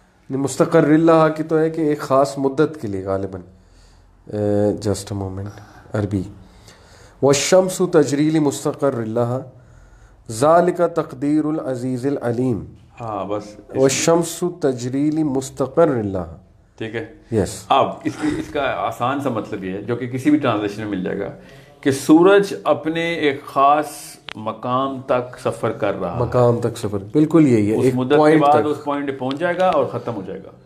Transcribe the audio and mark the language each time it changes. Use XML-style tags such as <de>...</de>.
<ur>نہیں مستقر لہا کی تو ہے کہ ایک خاص مدت کے لیے غالباً.</ur> <en>Just a moment.</en> <ar>عربی والشمس تجری لمستقر لها ذلك تقدير العزيز العليم.</ar> <ur>ہاں بس</ur> <ar>والشمس تجری لمستقر لها.</ar> <ur>ٹھیک ہے.</ur> <en>yes</en> <ur>اب اس کا آسان سا مطلب یہ ہے جو کہ کسی بھی ٹرانزلیشن میں مل جائے گا کہ سورج اپنے ایک خاص مقام تک سفر کر رہا ہے. مقام تک سفر, بالکل یہی ہے. اس مدت کے بعد اس پوائنٹ پہ پہنچ جائے گا اور ختم ہو جائے گا.</ur>